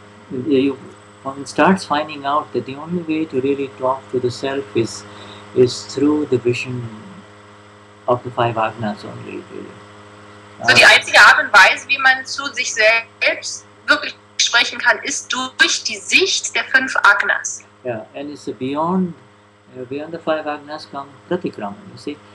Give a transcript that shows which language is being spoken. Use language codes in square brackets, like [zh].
[en] One starts finding out that the only way to really talk to the self is through the vision of the five agnas only. Really. [de] So die einzige Art und Weise, wie man zu sich selbst wirklich sprechen kann, ist durch die Sicht der fünf agnas. [en] Yeah, and it's beyond the five agnas come pratikraman, you see.